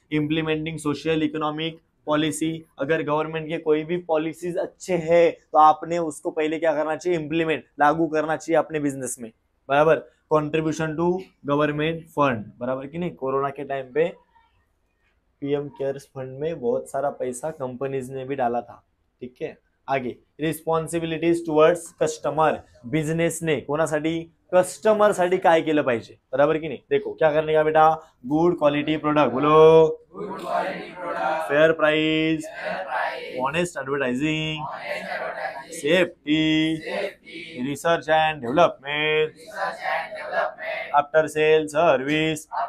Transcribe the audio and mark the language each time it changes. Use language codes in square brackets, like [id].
[en] implementing social economic policy, [hi] अगर government के कोई भी पॉलिसीज अच्छे हैं तो आपने उसको पहले क्या करना चाहिए, इम्प्लीमेंट लागू करना चाहिए अपने बिजनेस में, बराबर। [en] contribution to government fund, [hi] बराबर कि नहीं? कोरोना के टाइम पे पीएम केयर्स फंड में बहुत सारा पैसा कंपनीज ने भी डाला था। ठीक है, [mr] आगे [en] responsibilities towards customer, [mr] बिजनेस ने कोणासाठी कस्टमर साठी काय केलं पाहिजे, बराबर की नाही? [hi] देखो क्या करने का बेटा, [en] good quality product, [hi] बोलो [en] good quality product, fair price, honest advertising, safety, research and development, after sale service,